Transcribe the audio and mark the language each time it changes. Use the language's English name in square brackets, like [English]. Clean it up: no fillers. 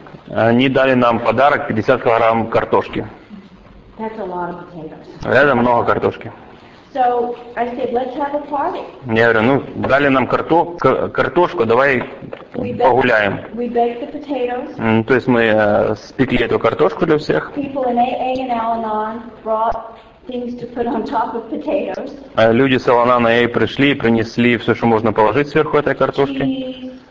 [Russian] Они дали нам подарок 50 килограмм картошки. Это много картошки. [English] So I said, let's have a party. [Russian] Я говорю, дали нам картошку, давай погуляем. [English] We baked the potatoes. [Russian] То есть мы спекли эту картошку для всех. [English] People in AA and Al-Anon brought things to put on top of potatoes. [Russian] Люди с Al-Anon AA пришли и принесли все, что можно положить сверху этой картошки.